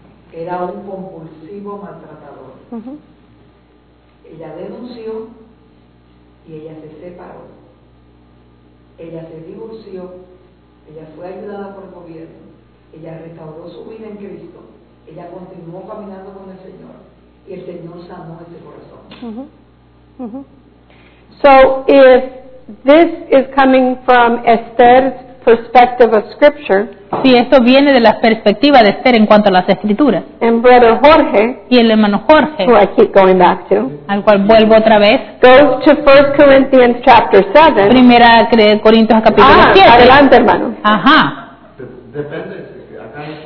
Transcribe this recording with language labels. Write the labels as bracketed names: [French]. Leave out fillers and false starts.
[Spanish] Era un compulsivo maltratador. Ella denunció y ella se separó. Ella se divorció, ella fue ayudada por el gobierno, ella restauró su vida en Cristo, ella continuó caminando con el Señor y el Señor sanó ese corazón. [English] So if this is coming from Esther's perspective of scripture. [Spanish] Si esto viene de la perspectiva de Esther en cuanto a las escrituras. [English] And brother Jorge, [Spanish] y el hermano Jorge, [English] who I keep going back to, [Spanish] al cual vuelvo otra vez, [English] goes to 1 Corinthians chapter 7. [Spanish] Primera Corintios capítulo 7. Adelante, hermano. Ajá. Depende, acá en